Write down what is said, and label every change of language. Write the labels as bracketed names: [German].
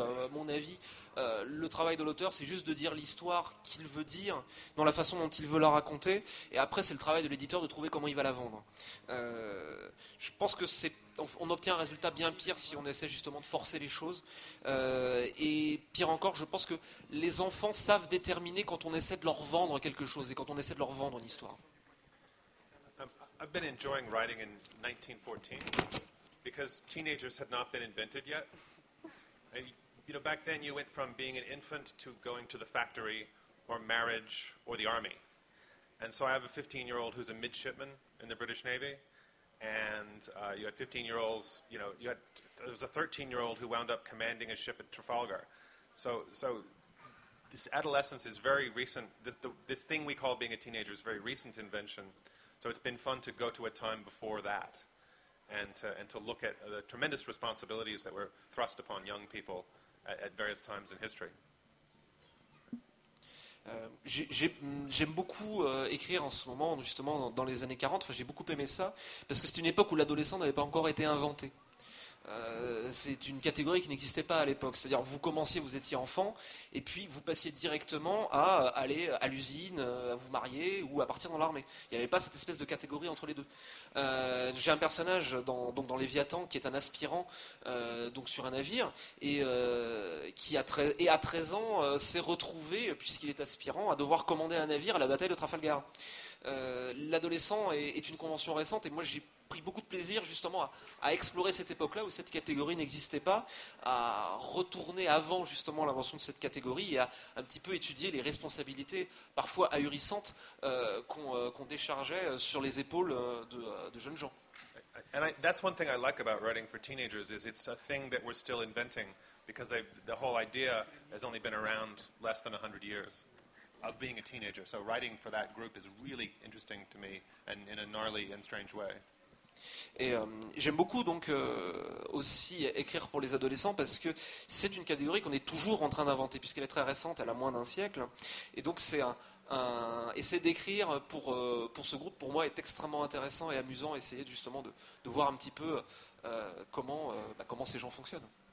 [French] À mon avis, le travail de l'auteur, c'est juste de dire l'histoire qu'il veut dire dans la façon dont il veut la raconter, et après c'est le travail de l'éditeur de trouver comment il va la vendre. Je pense que on obtient un résultat bien pire si on essaie justement de forcer les choses, et pire encore, je pense que les enfants savent déterminer quand on essaie de leur vendre quelque chose et quand on essaie de leur vendre une histoire. [English] I've been enjoying writing in 1914 because teenagers had not been invented yet. You know, back then you went from being an infant to going to the factory or marriage or the army. And so I have a 15-year-old who's a midshipman in the British Navy, and you had 15-year-olds, you know, there was a 13-year-old who wound up commanding a ship at Trafalgar. So this adolescence is very recent. This thing we call being a teenager is a very recent invention. So it's been fun to go to a time before that and to look at the tremendous responsibilities that were thrust upon young people at various times in history. [French] J'aime beaucoup écrire en ce moment, justement dans les années 40. Enfin, j'ai beaucoup aimé ça parce que c'est une époque où l'adolescent n'avait pas encore été inventé. C'est une catégorie qui n'existait pas à l'époque, c'est-à-dire vous commenciez, vous étiez enfant et puis vous passiez directement à aller à l'usine, à vous marier ou à partir dans l'armée. Il n'y avait pas cette espèce de catégorie entre les deux. J'ai un personnage dans Léviathan qui est un aspirant donc sur un navire et à 13 ans s'est retrouvé, puisqu'il est aspirant, à devoir commander un navire à la bataille de Trafalgar. L'adolescent est une convention récente et moi j'ai pris beaucoup de plaisir justement à explorer cette époque-là où cette catégorie n'existait pas, à retourner avant justement l'invention de cette catégorie et à un petit peu étudier les responsabilités parfois ahurissantes qu'on déchargeait sur les épaules de jeunes gens. [English] And that's one thing I like about writing for teenagers is it's a thing that we're still inventing because the whole idea has only been around less than 100 years of being a teenager. So writing for that group is really interesting to me and in a gnarly and strange way. [French] Et j'aime beaucoup donc aussi écrire pour les adolescents parce que c'est une catégorie qu'on est toujours en train d'inventer puisqu'elle est très récente, elle a moins d'un siècle. Et donc c'est essayer d'écrire pour ce groupe, pour moi, est extrêmement intéressant et amusant, essayer justement de voir un petit peu comment ces gens fonctionnent.